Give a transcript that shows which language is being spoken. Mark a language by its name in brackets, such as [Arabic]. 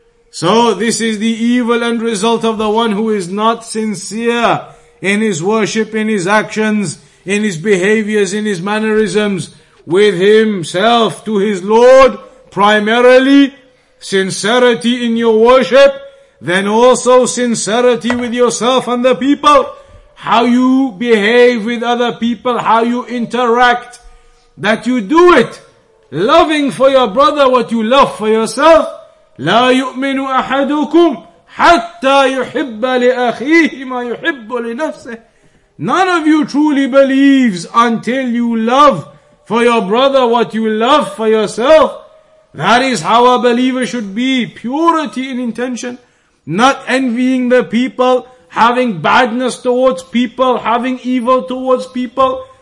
[English] So this is the evil end result of the one who is not sincere in his worship, in his actions, in his behaviors, in his mannerisms, with himself to his Lord, primarily sincerity in your worship, then also sincerity with yourself and the people, how you behave with other people, how you interact, that you do it, loving for your brother what you love for yourself. [Arabic] لا يؤمن أحدكم حتى يحب لأخيه ما يحب لنفسه. [English] None of you truly believes until you love for your brother what you love for yourself. That is how a believer should be. Purity in intention. Not envying the people, having badness towards people, having evil towards people.